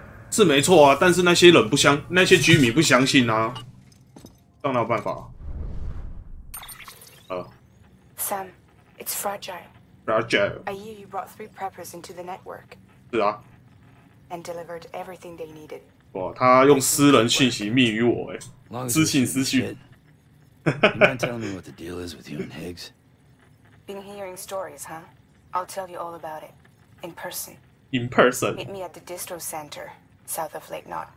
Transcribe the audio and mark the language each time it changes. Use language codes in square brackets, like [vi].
[zh] 是没错啊，但是那些人不相，那些居民不相信啊，这哪有办法、啊？ [en] Sam, it's fragile. Fragile. I hear you brought three preppers into the network. [zh] 是啊。 [en] And delivered everything they needed. [zh] 哇，他用私人信息密语我哎、欸，私信私讯。 [en] You mind telling me what the deal is with you and Higgs? Been hearing stories, huh? I'll tell you all about it. In person. In person. Meet me at the distro center, south of Lake Knot.